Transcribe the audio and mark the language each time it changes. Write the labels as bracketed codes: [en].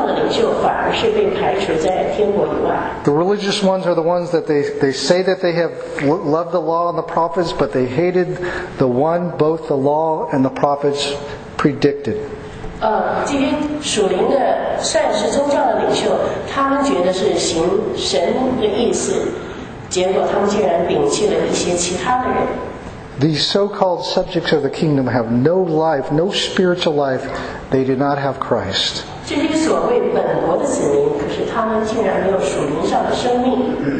[en] The religious ones are the ones that they say that they have loved the law and the prophets, but they hated the one both the law and the prophets predicted. [zh] 这些属灵的算是宗教的领袖，他们觉得是行神的意思，结果他们竟然摒弃了一些其他的人。 [en] These so-called subjects of the kingdom have no life, no spiritual life. They do not have Christ. [zh] 这些所谓本国的子民，可是他们竟然没有属灵上的生命。